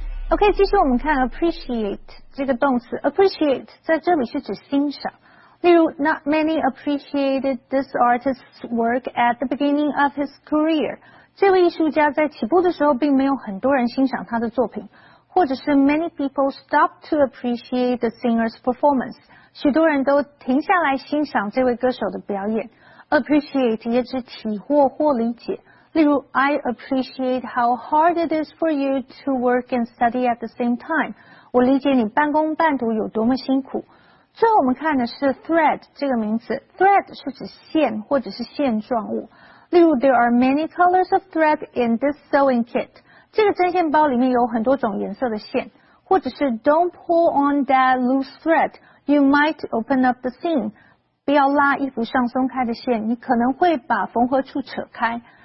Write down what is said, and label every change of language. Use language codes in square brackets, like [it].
[zh] OK, 继续我们看 appreciate 这个动词。appreciate 在这里是指欣赏。例如 [en] ,not many appreciated this artist's work at the beginning of his career. [zh] 这位艺术家在起步的时候并没有很多人欣赏他的作品。或者是 [en] many people stopped to appreciate the singer's performance. [zh] 许多人都停下来欣赏这位歌手的表演。 appreciate 也指体会或理解。例如 [en] I appreciate how hard it is for you to work and study at the same time. [zh] 我理解你半工半读有多么辛苦。最后我们看的是 thread 这个名字。thread 是指线或者是线状物。例如 [en] there are many colors of thread in this sewing kit. [zh] 这个针线包里面有很多种颜色的线。或者是 [en] don't pull on that loose thread. You might open up the seam. [zh] 不要拉衣服上松开的线，你可能会把缝合处扯开。